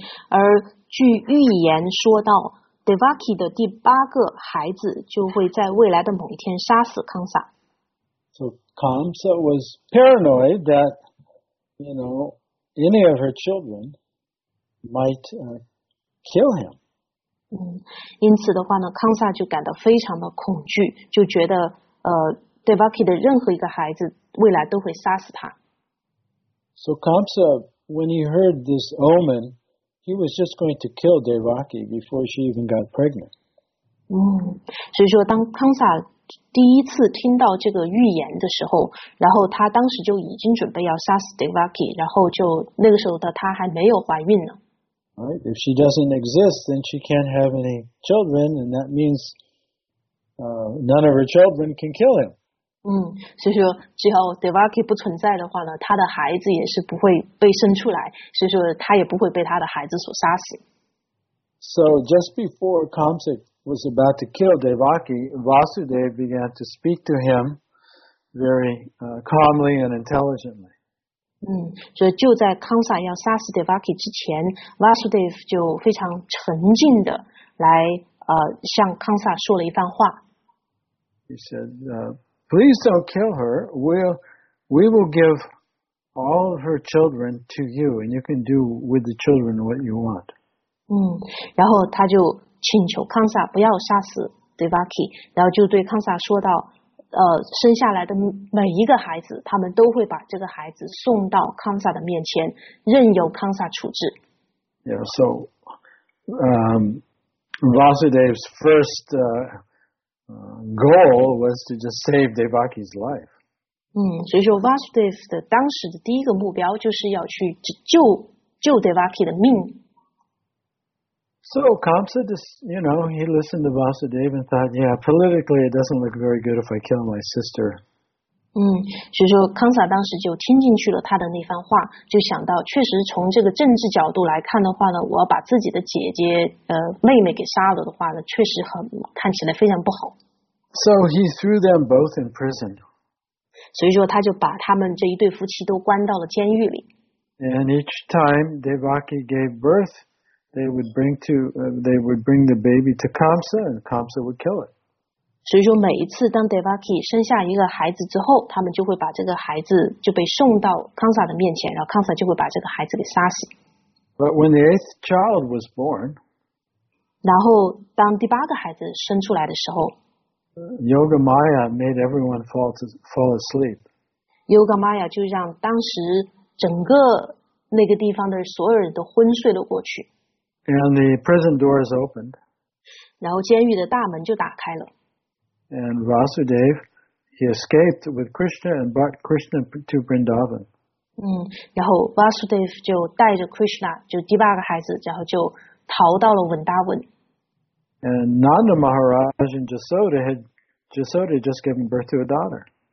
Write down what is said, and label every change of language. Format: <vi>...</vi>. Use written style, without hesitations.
<zh>而据预言说到 Devaki 的第八个孩子就会在未来的某一天杀死 Kamsa.</zh> <en>So Kamsa was paranoid that, any of her children might. Kill him.</en> <zh>因此的话呢，康萨就感到非常的恐惧，就觉得Devaki 的任何一个孩子未来都会杀死他。</zh> <en>So Kamsa, when he heard this omen, he was just going to kill Devaki before she even got pregnant.</en> <zh>所以说当康萨第一次听到这个预言的时候，然后他当时就已经准备要杀死 Devaki， 然后就那个时候的他还没有怀孕呢。</zh> <en>Right. If she doesn't exist, then she can't have any children, and that means none of her children can kill him.</en> <zh>所以说，只要 Devaki 不存在的话呢，他的孩子也是不会被生出来，所以说他也不会被他的孩子所杀死。</zh> <en>So just before Kamsa was about to kill Devaki, Vasudev began to speak to him very calmly and intelligently.</en> <zh>所以就在康萨要杀死 Devaki 之前， Vasudev 就非常沉静的来向康萨说了一番话。</zh> <en>He said, please don't kill her. We will give all of her children to you, and you can do with the children what you want.</en> <zh>然后他就请求康萨不要杀死 Devaki， 然后就对康萨说道，生下来的每一个孩子，他们都会把这个孩子送到康萨的面前，任由康萨处置。</zh> <en>Yeah, so, Vasudev's first goal was to just save Devaki's life.</en> <zh>所以说 Vasudev 的当时的第一个目标就是要去救 Devaki 的命。</zh> <en>So Kamsa just, you know, he listened to Vasudeva and thought, yeah, politically it doesn't look very good if I kill my sister.</en> <zh>所以说康萨当时就听进去了他的那番话，就想到确实从这个政治角度来看的话呢，我要把自己的姐姐妹妹给杀了的话呢，确实很看起来非常不好。</zh> <en>So he threw them both in prison.</en> <zh>所以说他就把他们这一对夫妻都关到了监狱里。</zh> <en>And each time Devaki gave birth,They would bring the baby to Kamsa, and Kamsa would kill it.</en> <zh>所以说每一次当 Devaki 生下一个孩子之后，他们就会把这个孩子就被送到 Kamsa 的面前，然后 Kamsa 就会把这个孩子给杀死。</zh> <en>But when the eighth child was born,</en> <zh>然后当第八个孩子生出来的时候</zh> <en>，Yogamaya made everyone fall asleep.</en> <zh>Yogamaya 就让当时整个那个地方的所有人都昏睡了过去。</zh> <en>And the prison doors opened.</en> <zh>然后监狱的大门就打开了。</zh> <en>And Vasudev, he escaped with Krishna and brought Krishna to Vrindavan.</en> <zh>然后 Vasudev 就带着 Krishna, 就第八个孩子，然后就逃到了 Vrindavan.</zh> <en>And Nanda Maharaj and Jasoda just given birth to a daughter.</en>